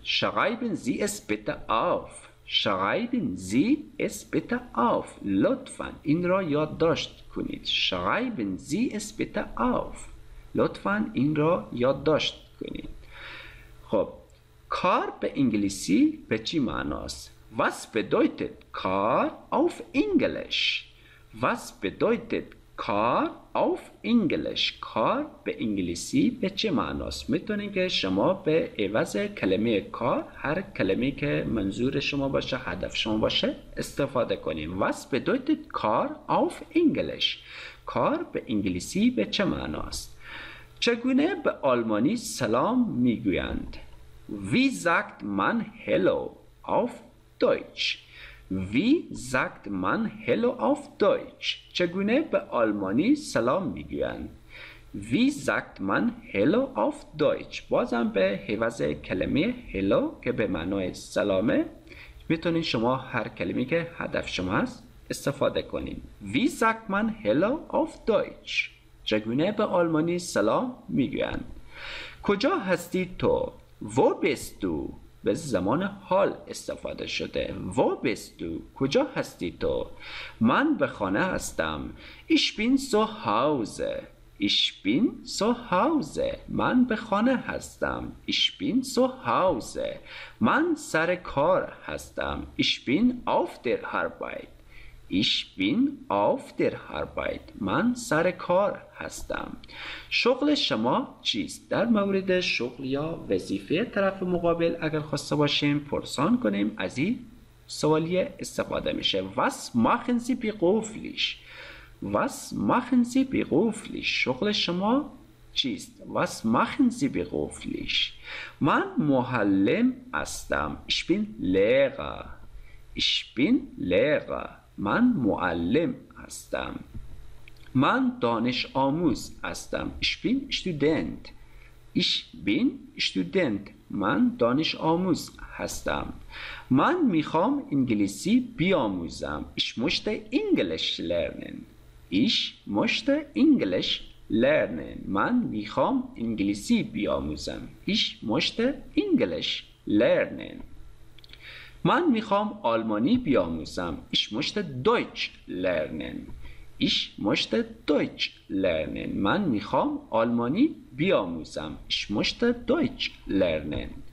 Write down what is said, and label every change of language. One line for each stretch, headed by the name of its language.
German: Schreiben Sie es bitte auf. Schreiben Sie es bitte auf.
Persian: لطفاً این را یادداشت کنید.
German: Schreiben Sie es bitte auf.
Persian: لطفاً این را یادداشت کنید. خب کار به انگلیسی به چی معناست؟
German: Was bedeutet Car auf Englisch? Was bedeutet Car auf Englisch?
Persian: Car به انگلیسی به چه معناست؟ میتونید که شما به عوض کلمه car هر کلمه که منظور شما باشه، هدف شما باشه استفاده کنید.
German: Was bedeutet Car auf Englisch?
Persian: Car به انگلیسی به چه معناست؟ چگونه به آلمانی سلام میگویند؟
German: Wie sagt man Hello auf Deutsch? Wie sagt man Hello auf Deutsch?
Persian: چگونه به آلمانی سلام میگویند؟
German: Wie sagt man Hello auf Deutsch?
Persian: بازم به حواز کلمه Hello که به معنای سلامه میتونین شما هر کلمه که هدف شما هست استفاده کنین.
German: Wie sagt man Hello auf Deutsch?
Persian: چگونه به آلمانی سلام میگویند؟ کجا هستی تو؟
German: Wo bist du?
Persian: به زمان حال استفاده شده.
German: Wo bist du?
Persian: کجا هستی تو؟ من به خانه هستم.
German: Ich bin zu Hause. Ich bin zu Hause.
Persian: من به خانه هستم.
German: Ich bin zu Hause.
Persian: من سر کار هستم.
German: Ich bin auf der Arbeit. Ich bin auf der Arbeit.
Persian: من سر کار هستم. شغل شما چیست؟ در مورد شغل یا وظیفه طرف مقابل اگر خواسته باشیم پرسان کنیم، از این سوالیه استفاده میشه.
German: Was machen Sie beruflich? Was machen Sie beruflich?
Persian: شغل شما چیست؟
German: Was machen Sie beruflich?
Persian: من معلم هستم.
German: Ich bin Lehrer. Ich bin Lehrer.
Persian: من معلم هستم. من دانش آموز هستم.
German: Ich bin student. Ich bin student.
Persian: من دانش آموز هستم. من میخوام انگلیسی بیاموزم.
German: Ich möchte English lernen. Ich möchte English lernen.
Persian: من میخوام انگلیسی بیاموزم.
German: Ich möchte English lernen.
Persian: من میخوام آلمانی بیاموزم.
German: Ich möchte Deutsch lernen. Ich möchte Deutsch lernen.
Persian: من میخوام آلمانی بیاموزم.
German: Ich möchte Deutsch lernen.